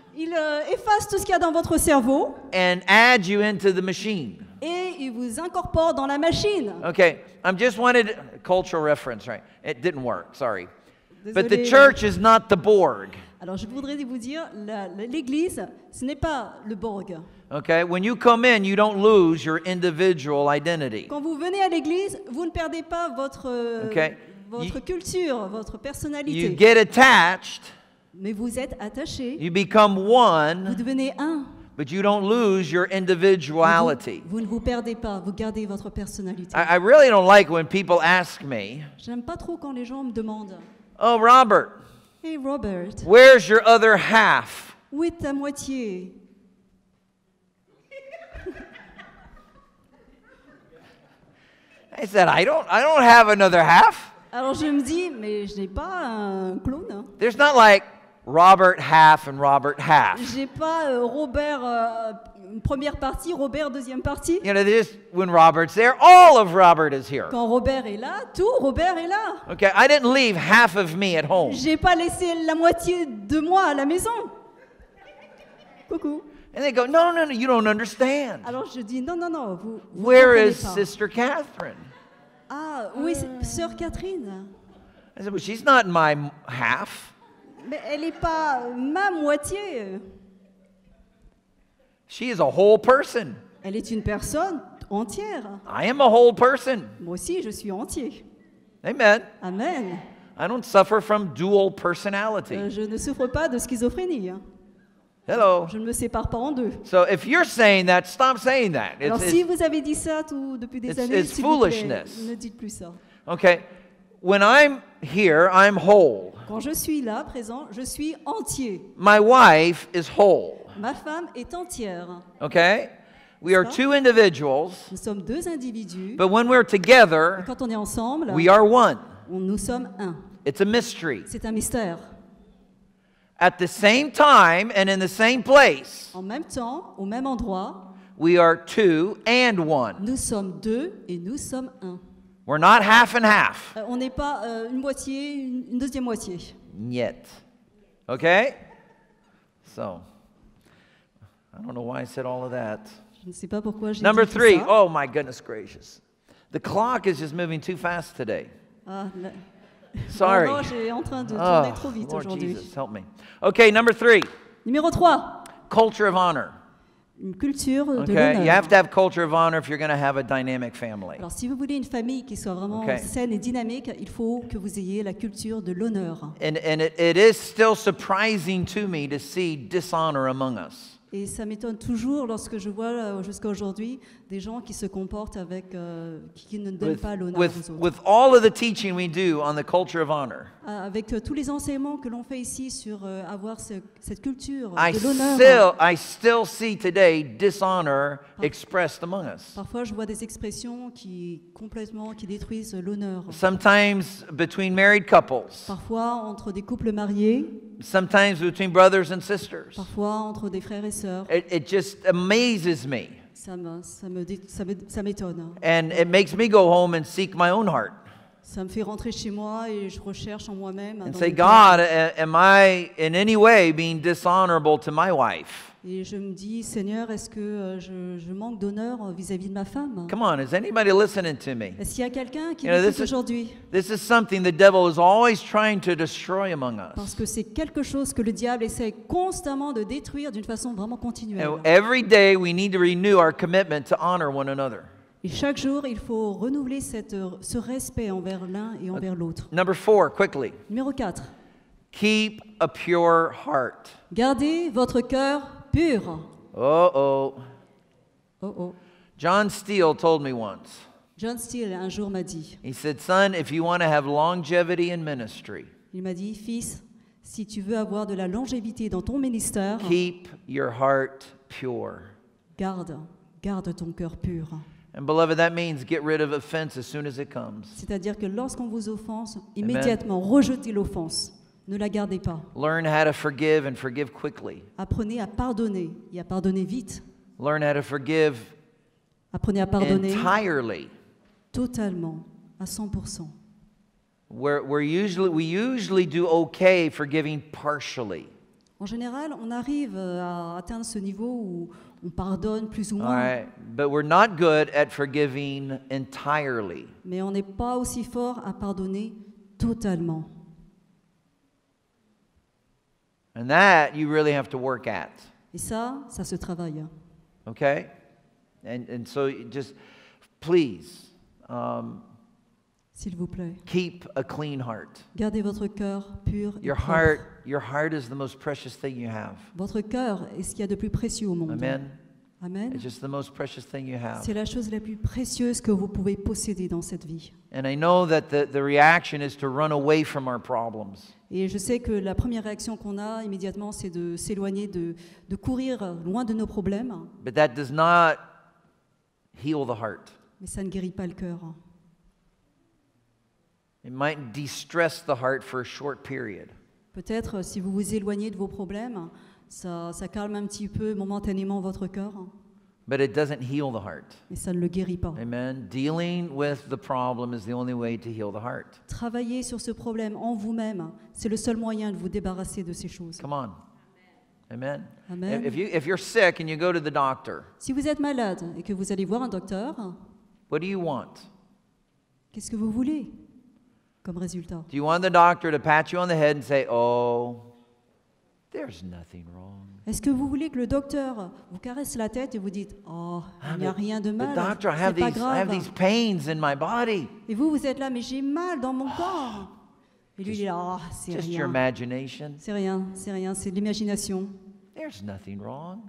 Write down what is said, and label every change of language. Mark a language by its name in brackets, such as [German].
[French] Ils effacent tout ce qu'il y a dans votre cerveau. [English] And add you into the machine. [French] Et il vous incorpore dans la machine. [English] Okay, I'm just wanted cultural reference, right? It didn't work, sorry. [French] Désolé. [English] But the church is not the Borg. [French] Alors je voudrais vous dire, l'église, ce n'est pas le Borg. [English] Okay, when you come in, you don't lose your individual identity. [French] Quand vous venez à l'église, vous ne perdez pas votre culture, votre personnalité. [English] You get attached. [French] Mais vous êtes attaché. [English] You become one. [French] Vous devenez un. [English] But you don't lose your individuality. [French] Vous ne vous perdez pas, vous gardez votre personnalité. [English] I really don't like when people ask me. [French] J'aime pas trop quand les gens me demandent. [English] Oh, Robert. Hey, Robert. Where's your other half? [French] Où est ta moitié? [English] I said, I don't have another half. [French] Alors je me dis, mais je n'ai pas un clone. [English] There's not like Robert half and Robert half. [French] J'ai pas Robert première partie, Robert deuxième partie. [English] You know, just when Robert's there, all of Robert is here. [French] Quand Robert est là, tout Robert est là. [English] Okay, I didn't leave half of me at home. [French] J'ai pas laissé la moitié de moi à la maison. Coucou. [English] And they go, no, you don't understand. [French] Alors je dis non, vous. [English] Where is Sister Kathryn? [French] Ah, où est Sœur Catherine? [English] I said, well, she's not my half. [French] Mais elle n'est pas ma moitié. [English] She is a whole person. [French] Elle est une personne entière. [English] I am a whole person. [French] Moi aussi, je suis entier. Amen. Amen. [English] I don't suffer from dual personality. [French] Je ne souffre pas de schizophrénie. [English] Hello. [French] Je ne me sépare pas en deux. [English] So if you're saying that, stop saying that. [French] Alors si vous avez dit ça depuis des années, [English] it's foolishness. [French] Ne dites plus ça. [English] Okay. When I'm here, I'm whole. [French] Quand je suis là, présent, je suis entier. [English] My wife is whole. [French] Ma femme est entière. [English] Okay? We are two individuals. [French] Nous sommes deux individus. [English] But when we're together, [French] quand on est ensemble, [English] we are one. [French] Nous sommes un. [English] It's a mystery. [French] C'est un mystère. [English] at the same time and in the same place. [French] En même temps, au même endroit. [English] We are two and one. [French] Nous sommes deux et nous sommes un. [English] We're not half and half. [French] On n'est pas une moitié, une deuxième moitié. [English] Yet. Okay? So, I don't know why I said all of that. [French] Je ne sais pas pourquoi j'ai [English] Number [French] dit [English] three. [French] Ça. [English] Oh my goodness gracious. The clock is just moving too fast today. Sorry. [French] Oh, non, j'ai en train de tourner trop vite [English] Lord [French] aujourd'hui. [English] Jesus, help me. Okay, number three. [French] Numéro 3. [English] Culture of honor. [French] Une culture [English] okay. [French] de l'honneur. [English] You have to have culture of honor if you're going to have a dynamic family. [French] Alors, si vous voulez une famille qui soit vraiment okay. saine et dynamique, il faut que vous ayez la culture de l'honneur. [English] And it is still surprising to me to see dishonor among us. [French] Et ça m'étonne toujours lorsque je vois jusqu'à aujourd'hui des gens qui se comportent avec qui ne donnent pas l'honneur aux autres. [English] With all of the teaching we do on the culture of honor. [French] Avec tous les enseignements que l'on fait ici sur avoir cette culture [English] I [French] de l'honneur. [English] I still see today dishonor expressed among us. [French] Parfois je vois des expressions qui complètement qui détruisent l'honneur. [English] Sometimes between married couples. [French] Parfois entre des couples mariés. [English] Sometimes between brothers and sisters. [French] Parfois entre des frères et sœurs. [English] It just amazes me. [French] Ça m'étonne. [English] And it makes me go home and seek my own heart. [French] Ça me fait rentrer chez moi et je recherche en moi-même. [English] And say, God, am I in any way being dishonorable to my wife? [French] Et je me dis, Seigneur, est-ce que je manque d'honneur vis-à-vis de ma femme? [English] Come on, is anybody listening to me? [French] Est-ce qu'il y a quelqu'un qui m'écoute aujourd'hui? [English] This is something the devil is always trying to destroy among us. [French] Parce que c'est quelque chose que le diable essaie constamment de détruire d'une façon vraiment continuelle. [English] Every day we need to renew our commitment to honor one another. [French] Et chaque jour, il faut renouveler ce respect envers l'un et envers l'autre. [English] Number four, quickly. [French] Numéro 4. [English] Keep a pure heart. [French] Gardez votre cœur pur. [English] Oh. John Steele told me once. [French] John Steele un jour m'a dit. [English] He said, "Son, if you want to have longevity in ministry." [French] Il m'a dit, fils, si tu veux avoir de la longévité dans ton ministère. [English] Keep your heart pure. [French] Garde ton cœur pur. [English] And beloved, that means get rid of offense as soon as it comes. [French] C'est-à-dire que lorsqu'on vous offense, immédiatement rejetez l'offense. Ne la gardez pas. [English] Learn how to forgive and forgive quickly. [French] Apprenez à pardonner et à pardonner vite. [English] Learn how to forgive. [French] Apprenez à pardonner [English] entirely. [French] Totalement, à 100%. [English] We usually do okay forgiving partially. [French] En général, on arrive à atteindre ce niveau où on pardonne plus ou moins. [English] All right. But we're not good at forgiving entirely. [French] Mais on n'est pas aussi fort à pardonner totalement. [English] And that you really have to work at. [French] Et ça se travaille. [English] Okay? And so just please [French] s'il vous plaît. [English] Keep a clean heart. [French] Gardez votre cœur pur. [English] Your heart is the most precious thing you have. [French] Votre cœur est ce qu'il y a de plus précieux au monde. Amen. Amen. [English] It's just the most precious thing you have. [French] C'est la chose la plus précieuse que vous pouvez posséder dans cette vie. [English] And I know that the reaction is to run away from our problems. [French] Et je sais que la première réaction qu'on a immédiatement, c'est de s'éloigner, de courir loin de nos problèmes. [English] But that does not heal the heart. [French] Mais ça ne guérit pas le cœur. [English] It might distress the heart for a short period. [French] Peut-être si vous vous éloignez de vos problèmes, ça calme un petit peu momentanément votre cœur. [English] But it doesn't heal the heart. [French] Et ça ne le guérit pas. Amen. [English] Dealing with the problem is the only way to heal the heart. [French] Travailler sur ce problème en vous-même, c'est le seul moyen de vous débarrasser de ces choses. [English] Come on. Amen. Amen. If you're sick and you go to the doctor. [French] Si vous êtes malade et que vous allez voir un docteur. [English] What do you want? [French] Qu'est-ce que vous voulez comme résultat? [English] Do you want the doctor to pat you on the head and say, "Oh, there's nothing wrong"? [French] Est-ce que vous voulez que le docteur vous caresse la tête et vous dites, oh, il n'y a rien de mal, [English] doctor, [French] c'est pas grave. [English] I have these pains in my body. [French] Et vous êtes là, mais j'ai mal dans mon corps. Et lui, il dit, oh, c'est [English] just [French] rien. [English] Your imagination. [French] C'est rien, c'est de l'imagination. [English] There's nothing wrong.